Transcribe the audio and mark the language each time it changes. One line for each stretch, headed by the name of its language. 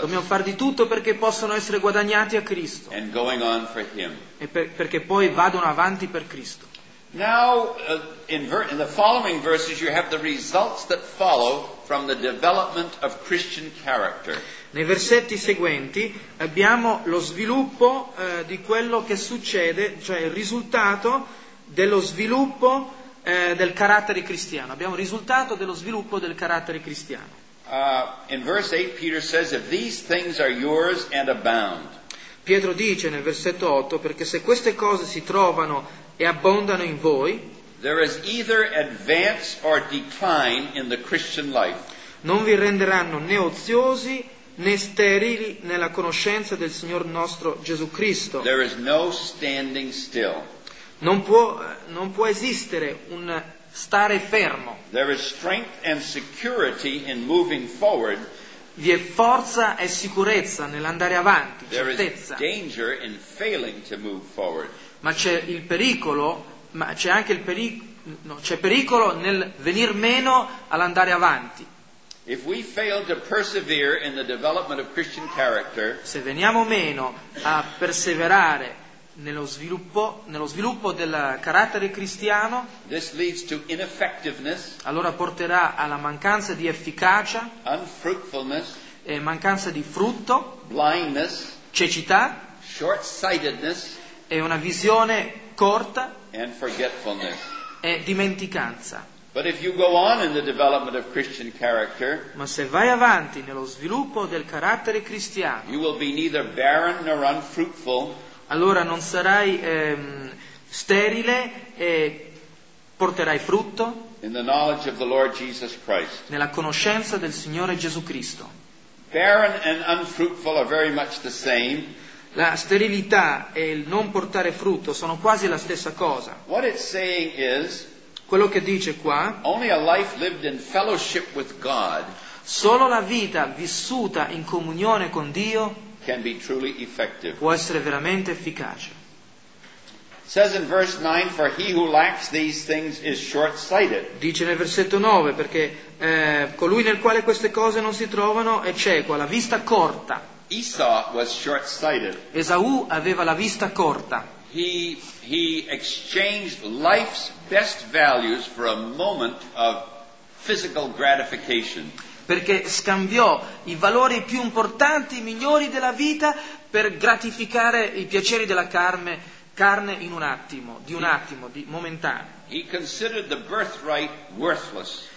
Italian: Dobbiamo far di tutto perché possano essere guadagnati a Cristo.
English: And going on for him.
Italian: Perché poi vadano avanti per Cristo.
English: Now, in the following verses, you have the results that follow from the development of Christian character.
Italian: Nei versetti seguenti abbiamo lo sviluppo di quello che succede, cioè il risultato dello sviluppo del carattere cristiano. Abbiamo il risultato dello sviluppo del carattere cristiano.
English: In verse 8, Peter says, "If these things are yours and abound."
Italian: Pietro dice nel versetto 8, perché se queste cose si trovano e abbondano in voi,
English: there is either advance or decline in the Christian life.
Italian: Non vi renderanno né oziosi né sterili nella conoscenza del Signor nostro Gesù Cristo.
English: There is no standing still.
Italian: Non può esistere un stare fermo.
English: There is strength and security in moving forward.
Italian: Vi è forza e sicurezza nell'andare avanti, certezza.
English: There is danger in failing to move forward.
Italian: Ma c'è il pericolo, ma c'è anche il pericolo, no, c'è pericolo nel venir meno all'andare avanti.
English: If we fail to persevere in the development of Christian character,
Italian: se veniamo meno a perseverare nello sviluppo del carattere cristiano,
English: this leads to ineffectiveness,
Italian: allora porterà alla mancanza di efficacia,
English: unfruitfulness,
Italian: e mancanza di frutto,
English: blindness,
Italian: cecità,
English: short-sightedness,
Italian: e una visione corta,
English: and forgetfulness,
Italian: e dimenticanza.
English: But if you go on in the development of Christian character,
Italian: ma se vai avanti nello sviluppo del carattere cristiano,
English: you will be neither barren nor unfruitful,
Italian: allora non sarai sterile e porterai frutto,
English: in the knowledge of the Lord Jesus Christ,
Italian: nella conoscenza del Signore Gesù Cristo.
English: Barren and unfruitful are very much the same.
Italian: La sterilità e il non portare frutto sono quasi la stessa cosa.
English: What it's saying is,
Italian: quello che dice qua,
English: only a life lived in fellowship with God,
Italian: solo la vita vissuta in comunione con Dio
English: can be truly effective.
Italian: Può essere veramente efficace.
English: It says in verse 9, for he who lacks these things is short-sighted.
Italian: Dice nel versetto 9, perché colui nel quale queste cose non si trovano è cieco, ha la vista corta.
English: Esau was short-sighted.
Italian: Esaù aveva la vista corta.
English: He exchanged life's best values for a moment of physical gratification.
Italian: Perché scambiò i valori più importanti, i migliori della vita, per gratificare i piaceri della carne in un attimo, di momentaneo.
English: He considered the birthright worthless.